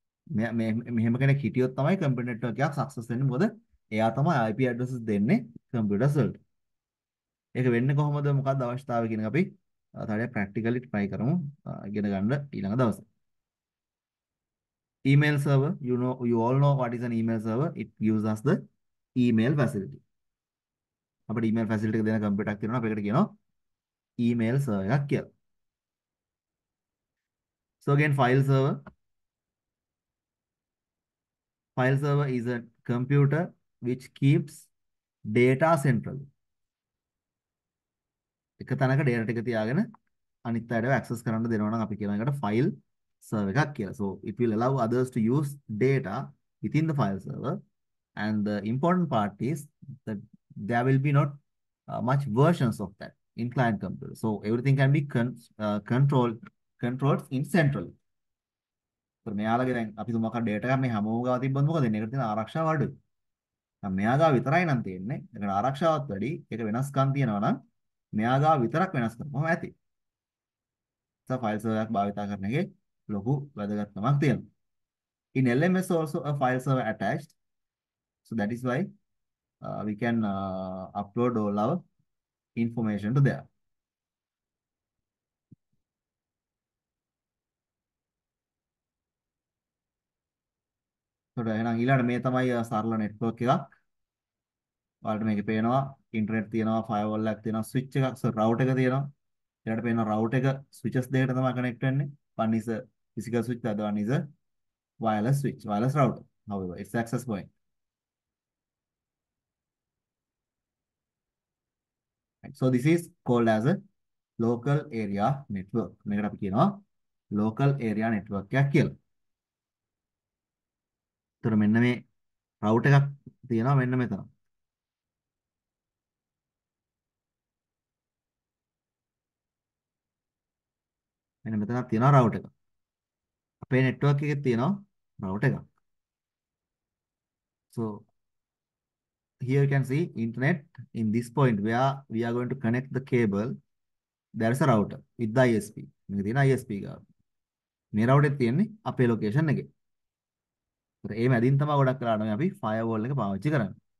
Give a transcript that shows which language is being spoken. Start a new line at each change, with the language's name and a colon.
Sinhala: මෙහෙම කෙනෙක් හිටියොත් තමයි කම්පියුටර් නෙට්වර්ක් එකක් සක්සස් වෙන්නේ මොකද එයා තමයි IP addresses දෙන්නේ කම්පියුටර්ස් වලට. ඒක වෙන්නේ කොහොමද මොකක්ද අවස්ථාවේ කියන එක අපි තවදී ප්‍රැක්ටිකලි ට්‍රයි කරමු ඉගෙන ගන්න ඊළඟ දවසේ.
English: email server you all know what is an email server. it gives us the email facility.
Sinhala: අපිට email facility එක දෙන කම්පියුටරක් තියෙනවා අපි ඒකට කියනවා email server එකක් කියලා.
English: so again file server. File server is a computer which keeps data central.
Sinhala: එක තැනක data ටික තියාගෙන අනිත් අයට access කරන්න දෙනවා නම් අපි කියන එකට file server එකක් කියලා.
English: So it will allow others to use data within the file server. And the important part is that there will be not much versions of that in client computer. So everything can be controlled in central.
Sinhala: මෙයාලගේ දැන් අපි තුමක data එක මේ හැමෝම ගාව තිබ්බොත් මොකද වෙන්නේ? ඒකට තියෙන ආරක්ෂාව අඩුයි. දැන් මෙයා ගාව විතරයි නම් තියෙන්නේ. ඒකට ආරක්ෂාවත් වැඩි. ඒක වෙනස්කම් තියෙනවා නම් මෙයා ගාව විතරක් වෙනස් කරනවා ඇති. සස ෆයිල් සර්වර් එකක් භාවිත කරන එකේ ලොකු වැදගත්කමක් තියෙනවා.
English: In LMS also a file server attached. So that is why we can upload all our information to there.
Sinhala: එහෙනම් ඊළඟ මේ තමයි සරල network එකක්. ඔයාලට මේක පේනවා internet තියෙනවා firewall එකක් තියෙනවා switch එකක් router එක තියෙනවා. ඊළඟට පේනවා router එක switches දෙකට තමයි connect වෙන්නේ.
English: one is a physical switch the other one is a wireless switch wireless router. however it's access point. right. so this is called as a local area network.
Sinhala: මේකට අපි කියනවා local area network එකක් කියලා. එතකොට මෙන්න මේ router එකක් තියෙනවා මෙන්න මෙතන. මෙන්න මෙතන තියෙනවා රවුටර් එකක්. අපේ network එකේ තියෙනවා රවුටර් එකක්.
English: So here you can see internet in this point where we are going to connect the cable there's a router with the ISP.
Sinhala: මේක තියෙන ISP ගාව. මේ router එක තියෙන්නේ අපේ location එකේ. ඒ මැදින් තමයි ගොඩක් කරලා නම් අපි ෆයර්වෝල් එක පාවිච්චි කරන්නේ.